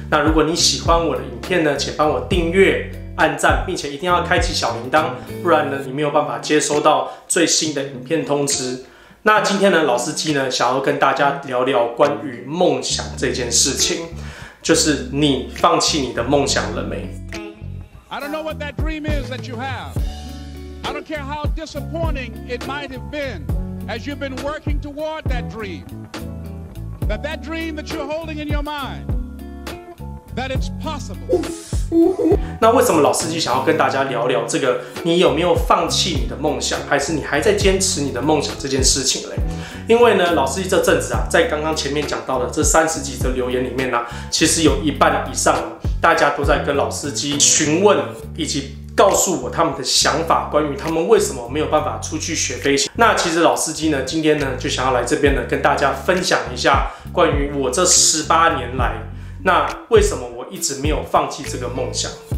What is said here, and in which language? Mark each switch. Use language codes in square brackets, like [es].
[zh] 那如果你喜欢我的影片呢，请帮我订阅、按赞，并且一定要开启小铃铛，不然呢你没有办法接收到最新的影片通知。那今天呢，老司机呢想要跟大家聊聊关于梦想这件事情。就是你放弃你的梦想了没？ [en] I don't know what that dream is that you have. I don't care how disappointing it might have been as you've been working toward that dream. That that dream that you're holding in your mind, that it's possible. [zh] 那为什么老司机想要跟大家聊聊这个你有没有放弃你的梦想，还是你还在坚持你的梦想这件事情呢？因为呢，老司机这阵子啊，在刚刚前面讲到的这30几则留言里面呢、啊，其实有一半以上大家都在跟老司机询问，以及告诉我他们的想法，关于他们为什么没有办法出去学飞行。那其实老司机呢，今天呢就想要来这边呢跟大家分享一下关于我这18年来，那为什么我一直没有放弃这个梦想。